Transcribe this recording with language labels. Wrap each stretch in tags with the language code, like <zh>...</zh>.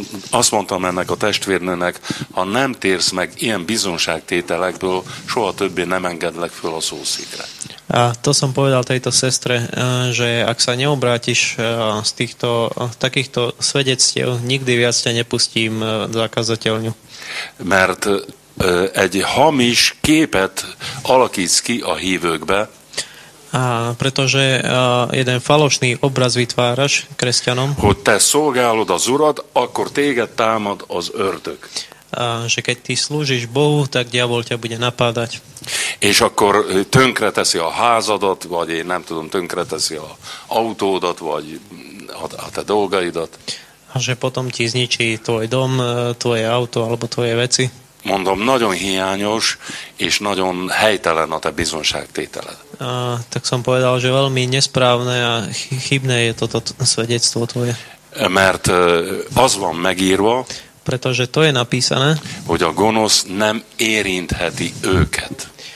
<hu>Azt mondtam ennek a testvérnőnek, ha nem térsz meg ilyen bizonságtételekből, soha többé nem engedlek föl a szószékre.</hu> <sk>A to som povedal tejto sestre, že ak sa neobrátiš z týchto, takýchto svedectiev, nikdy viac ťa nepustím za kazateľňu.</sk> <hu>Mert egy hamis képet alakítsz ki a hívőkbe.</hu> <sk>A pretože jeden falošný obraz vytváraš kresťanom.</sk> <hu>Hogy te szolgálod az Urat, akkor téged támad az ördög.</hu> <sk>A že keď ty slúžiš Bohu, tak diabol ťa bude napádať.</sk> <hu>És akkor tönkreteszi a házadat, vagy én nem tudom, tönkreteszi a autódat, vagy a te dolgaidat.</hu> <sk>A že potom ti zničí tvoj dom, tvoje auto, alebo tvoje veci.</sk> <hu>Mondom, nagyon hiányos és nagyon helytelen a te bizonságtételed.</hu> <sk>Tak som povedal, že veľmi nesprávne a chybné je toto svedectvo tvoje.</sk> <hu>Mert az van megírva,</hu> <sk>pretože to je napísané,</sk> <hu>hogy a gonosz nem érintheti őket.</hu>